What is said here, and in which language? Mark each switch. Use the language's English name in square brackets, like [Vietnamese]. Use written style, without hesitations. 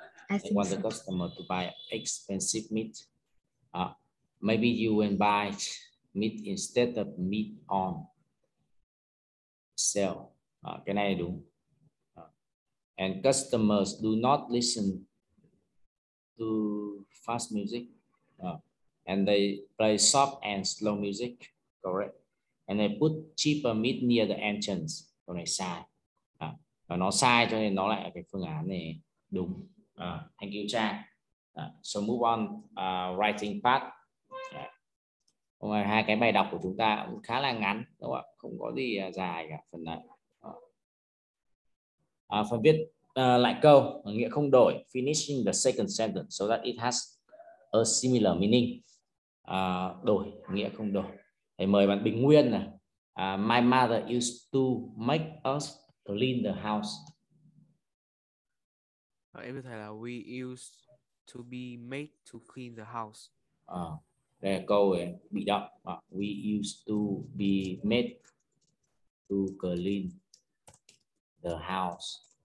[English] I want the customer to buy expensive meat. Maybe you went buy meat instead of meat on sale. [Vietnamese] Cái này đúng. [English] And customers do not listen to fast music. And they play soft and slow music. [Vietnamese] Correct. [English] And they put cheaper meat near the entrance. [Vietnamese] Câu này sai. Và nó sai cho nên nó lại cái phương án này đúng. [English] Thank you, [Vietnamese] Trang. [English] So move on writing part. [Vietnamese] Hôm nay hai cái bài đọc của chúng ta cũng khá là ngắn, đúng không ạ? Không có gì dài cả phần này. Phần viết lại câu nghĩa không đổi, [English] finishing the second sentence so that it has a similar meaning. [Vietnamese] Đổi nghĩa không đổi. Thầy mời bạn Bình Nguyên này. [English] My mother used to make us clean the house. [Vietnamese] Em thấy là [English] we used to be made to clean the house. [Vietnamese] Đây là câu ấy, bị động. [English] We used to be made to clean the house.